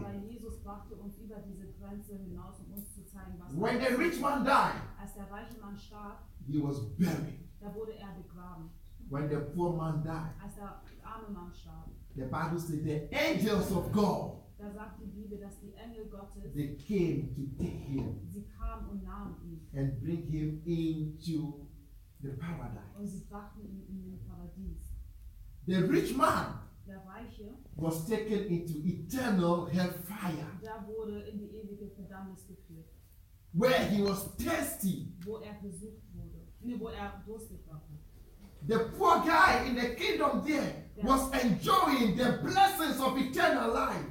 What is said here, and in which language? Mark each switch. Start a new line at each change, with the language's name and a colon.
German: Aber Jesus brachte uns über diese Grenze hinaus, um uns zu zeigen, was.
English: When the rich man died,
German: als der reiche Mann starb,
English: he was buried.
German: Da wurde er begraben.
English: When the poor man died,
German: als der arme Mann starb,
English: the Bible says the angels of God,
German: da sagt die Bibel, dass die Engel Gottes,
English: they came to take him,
German: sie kamen und nahmen ihn,
English: and bring him into the paradise.
German: Und sie brachten ihn in den Paradies.
English: The rich man,
German: der Reiche,
English: was taken into eternal hellfire,
German: da wurde in die ewige Verdammnis geführt.
English: Where he was thirsty,
German: wo er versucht wurde, wo er durstig war.
English: The poor guy in the kingdom there was enjoying the blessings of eternal life.